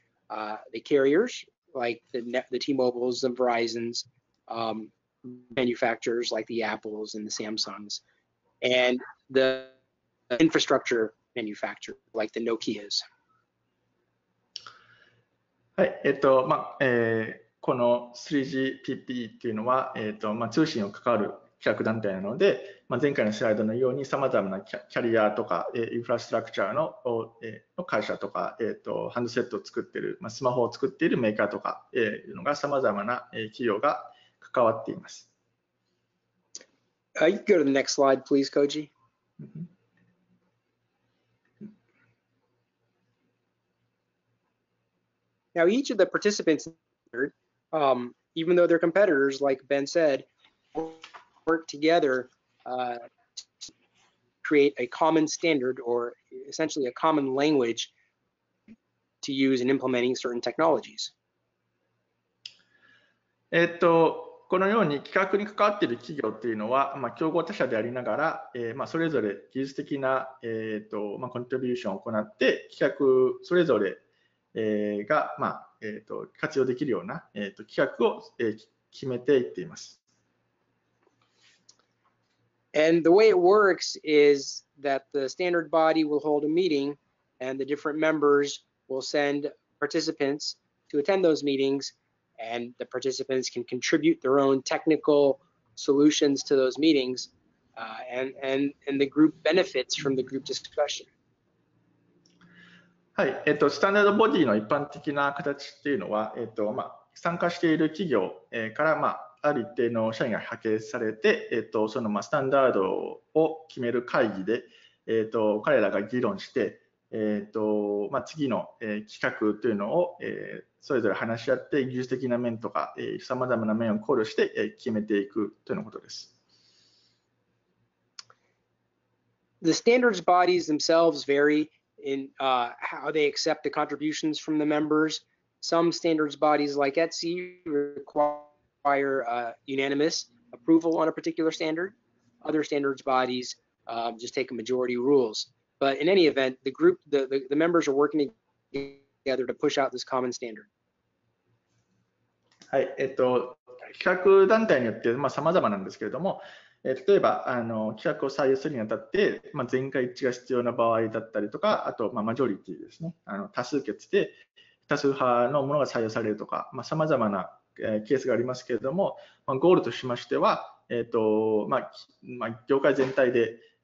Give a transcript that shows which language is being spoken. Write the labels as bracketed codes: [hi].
[en] The carriers like the T-Mobiles and Verizon's, manufacturers like the Apples and the Samsung's, and the infrastructure manufacturer like the Nokia's. [ja] はい、まあ、この 3GPP というのは、まあ、通信を関わる企画団体なので、まあ、前回のスライドのようにさまざまなキャリアとかインフラストラクチャーの会社とか、ハンドセットを作っている、まあ、スマホを作っているメーカーとか、のがさまざまな企業が関わっています。 [en] You can go to the next slide, please, Koji. Now, each of the participants, even though they're competitors, like Ben said,work together, to create a common standard or essentially a common language to use in implementing certain technologies. [ja] このように企画に関わっている企業というのは、まあ、競合他社でありながら、まあ、それぞれ技術的な、まあ、コントリビューションを行って企画それぞれ、が、まあ、活用できるような、企画を、決めていっています。 [en] And the way it works is that the standard body will hold a meeting and the different members will send participants to attend those meetings and the participants can contribute their own technical solutions to those meetings, and the group benefits from the group discussion. [ja] はい、スタンダードボディの一般的な形っていうのは、まあ、参加している企業、から、まあある一定の社員が派遣されて、そのまあスタンダードを決める会議で、彼らが議論して、まあ、次の、企画というのを、それぞれ話し合って技術的な面とか、さまざまな面を考慮して、決めていくというのことです。 [en] The standards bodies themselves vary in, how they accept the contributions from the members. Some standards bodies like ETSI require unanimous approval on a particular standard. Other standards bodies, just take a majority rules. But in any event, the group, the members are working together to push out this common standard. [ja] はい、企画団体によって、まあ、様々なんですけれども、例えば企画を採用するにあたって、まあ、全会一致が必要な場合だったりとか、あと、まあ、マジョリティですね、多数決で多数派のものが採用されるとか、まあ、様々なケースがありますけれども、まあ、ゴールとしましては、まあまあ、業界全体で、